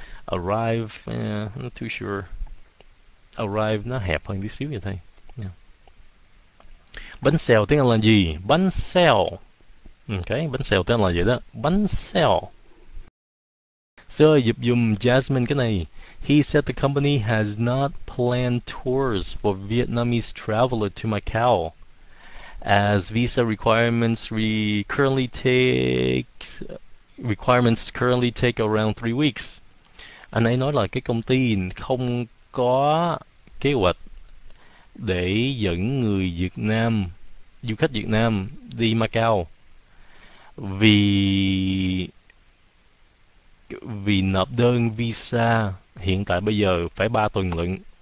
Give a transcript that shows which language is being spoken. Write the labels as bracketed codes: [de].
[en] Arrive, not too sure. [vi] Arrive nó hẹp hơn tí xíu vậy thôi. Bánh xèo tiếng Anh là gì? Bánh xèo. Ok, bánh xèo tên là vậy đó. Bánh xèo. Sơ dịp dùm Jasmine cái này. [en] He said the company has not planned tours for Vietnamese traveler to Macau, as visa requirements currently take around 3 weeks. [vi] Anh ấy nói là cái công ty không có kế hoạch để dẫn người Việt Nam, du khách Việt Nam đi Macau vì nộp đơn visa hiện tại bây giờ phải 3 tuần lận.